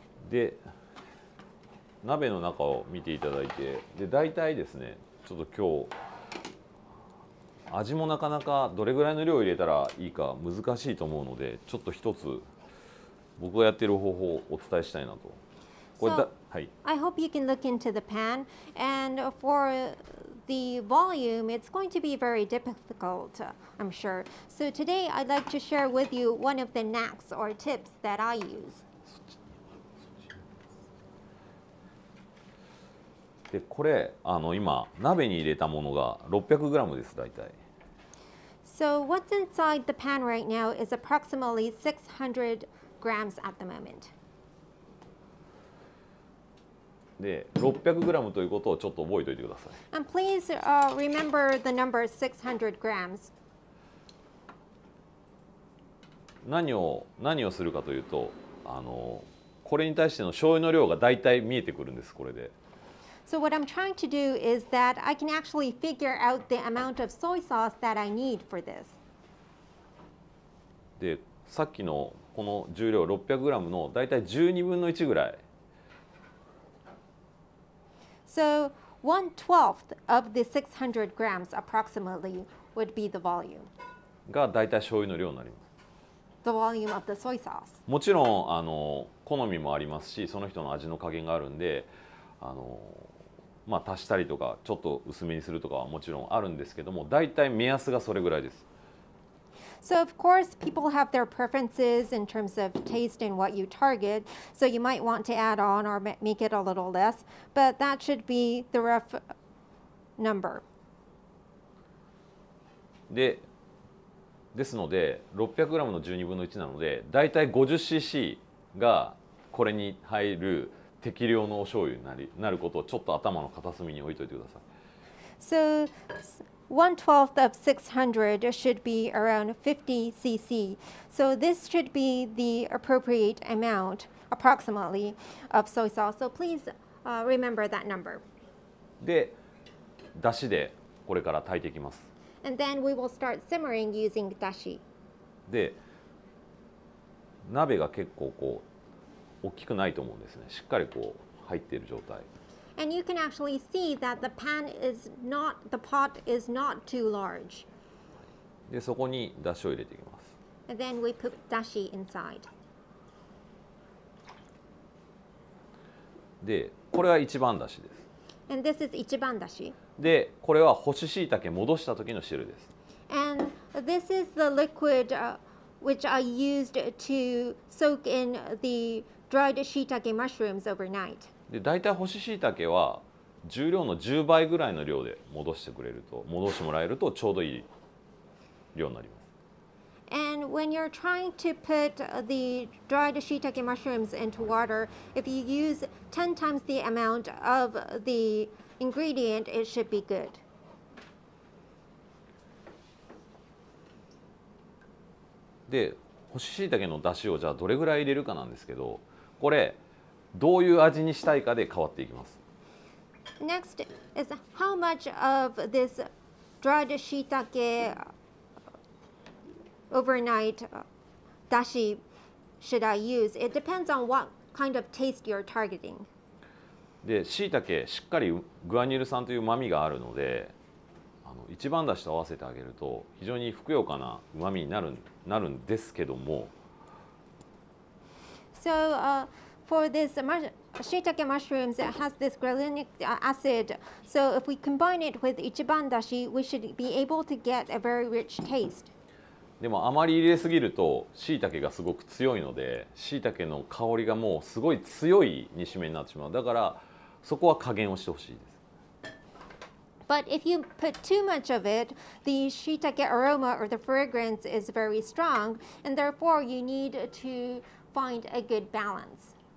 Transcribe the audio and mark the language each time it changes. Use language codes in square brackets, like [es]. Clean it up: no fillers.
[ja] で、鍋の中を見ていただいて、で、大体ですね、ちょっと今日味もなかなかどれぐらいの量を入れたらいいか難しいと思うので、ちょっと一つ僕がやっている方法をお伝えしたいなと。これだ、 [en] so, はい、I hope you can look into the pan. And for the volume, it's going to be very difficult, I'm sure. So today, I'd like to share with you one of the knacks or tips that I use. [ja] で、これ、あの今鍋に入れたものが 600g です、大体。 [en] So what's inside the pan right now is approximately 600 grams at the moment. [ja] で、600g ということをちょっと覚えておいてください。 [en] And please, remember the number 600 grams. [ja] 何をするかというと、あのこれに対しての醤油の量が大体見えてくるんです、これで。 [en] So what I'm trying to do is that I can actually figure out the amount of soy sauce that I need for this. [ja] で、さっきのこの重量 600g のだいたい12分の1ぐらい。 [en] So 1/12 of the 600 grams approximately would be the volume. [ja] がだいたい醤油の量になります。 [en] The volume of the soy sauce. [ja] もちろんあの好みもありますし、その人の味の加減があるんで、あのまあ、足したりとかちょっと薄めにするとかはもちろんあるんですけども、だいたい目安がそれぐらいです。 [en] So of course people have their preferences in terms of taste and what you target, so you might want to add on or make it a little less, but that should be the rough number. [ja] で、ですので 600g の12分の1なので、だいたい 50cc がこれに入る適量のお醤油になることをちょっと頭の片隅に置いといてください。 [en] So 1/12 of 600 should be around 50cc. So this should be the appropriate amount approximately of soy sauce. So please, remember that number. [ja] で、だしでこれから炊いていきます。 [en] And then we will start simmering using dashi. [ja] で、鍋が結構こう大きくないと思うんですね。しっかりこう入っている状態。 [en] And you can actually see that the pan is not, the pot is not too large. [ja] で、そこにだしを入れていきます。 [en] And then we put dashi inside. [ja] で、これは一番だしです。 [en] And this is 一番だし。 [ja] で、これは干し椎茸戻した時の汁です。 [en] And this is the liquid which I used to soak in the dried shiitake mushrooms overnight. [ja] で、大体干し椎茸は重量の10倍ぐらいの量で戻してくれると、戻してもらえるとちょうどいい量になります。 [en] And when you're trying to put the dried shiitake mushrooms into water, if you use 10 times the amount of the ingredient, it should be good. [ja] で、干し椎茸の出汁をじゃあどれぐらい入れるかなんですけど、これどういう味にしたいかで変わっていきます。 [en] Next is how much of this dried shiitakeOvernight dashi should I use? It depends on what kind of taste you're targeting. [ja] で、しいたけしっかりグアニル酸という旨味があるので、一番だしと合わせてあげると非常にふくよかな旨味になるんですけども。 [en] So, for this shiitake mushrooms, it has this guanylic acid. So, if we combine it with 一番だし, we should be able to get a very rich taste. [ja] でもあまり入れすぎると椎茸がすごく強いので椎茸の香りがもうすごい強い煮しめになってしまう。だからそこは加減をしてほしいです。 [en] But if you put too much of it, the shiitake aroma or the fragrance is very strong, and therefore you need to find a good balance.